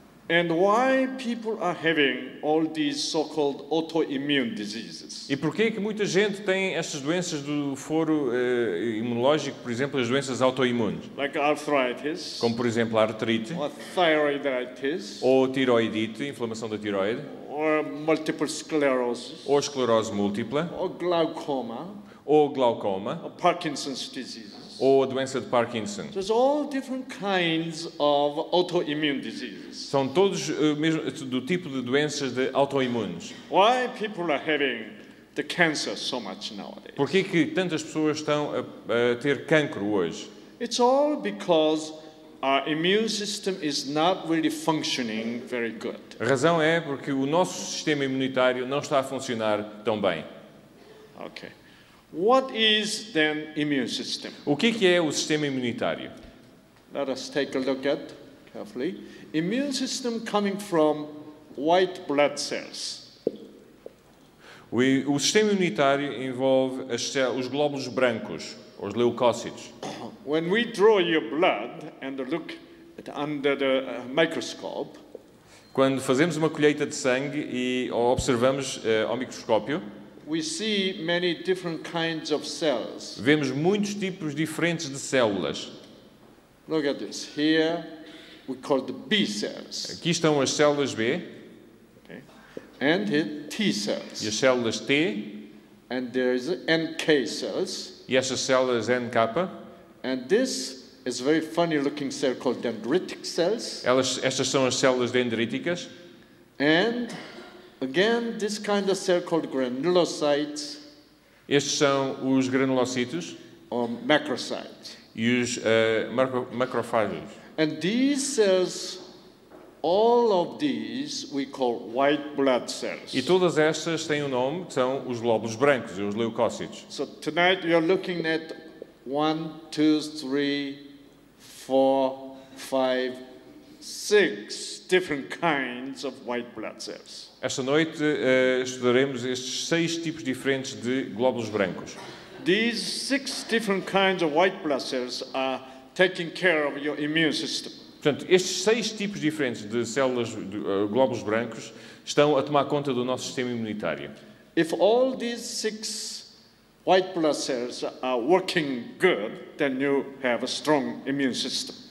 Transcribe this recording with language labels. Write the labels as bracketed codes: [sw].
[en] And why people are having all these so-called autoimmune diseases? [pt] E por que que muita gente tem estas doenças do foro imunológico, por exemplo, as doenças autoimunes? [en] Like arthritis. [pt] Como, por exemplo, a artrite. [en] Or thyroiditis. [pt] Ou tiroidite, inflamação da tiroide. [en] Or multiple sclerosis. [pt] Ou esclerose múltipla. [en] Or glaucoma. [pt] Ou glaucoma. [en] Or Parkinson's disease. [pt] Ou a doença de Parkinson. [en] There's all different kinds of autoimmune diseases. [pt] São todos mesmo do tipo de doenças de autoimunes. [en] Why people are having the cancer so much nowadays? [pt] Por que que tantas pessoas estão a ter cancro hoje? [en] It's all because our immune system is not really functioning very good. [pt] A razão é porque o nosso sistema imunitário não está a funcionar tão bem. [en] Okay. What is then immune system? [pt] O que é o sistema imunitário? [en] Let us take a look at carefully. Immune system coming from white blood cells. [pt] O sistema imunitário envolve os glóbulos brancos, os leucócitos. [en] When we draw your blood and look at under the microscope, [pt] quando fazemos uma colheita de sangue e observamos ao microscópio, [en] we see many different kinds of cells. [pt] Vemos muitos tipos diferentes de células. [en] Look at this. Here we call the B cells. [pt] Aqui estão as células B. [en] Okay. And the T cells. [pt] E as células T. [en] And there's NK cells. [pt] E essas células NK. [en] And this is a very funny looking cell called dendritic cells. [pt] Estas são as células dendríticas. [en] And again, this kind of cell called granulocytes. [pt] Estes são os granulocitos. [en] Or macrocytes. [pt] E os macrofágicos. [en] And these cells, all of these, we call white blood cells. [pt] E todas estas têm um nome, são os glóbulos brancos, os leucócitos. [en] So tonight you're looking at 1, 2, 3, 4, 5, 6 different kinds of white blood cells. [pt] Esta noite estudaremos estes 6 tipos diferentes de glóbulos brancos. [en] These 6 different kinds of white blood cells are taking care of your immune system. [pt] Portanto, estes 6 tipos diferentes de células de glóbulos brancos estão a tomar conta do nosso sistema imunitário. [en] If all these 6 white blood cells are working good, then you have a strong immune system.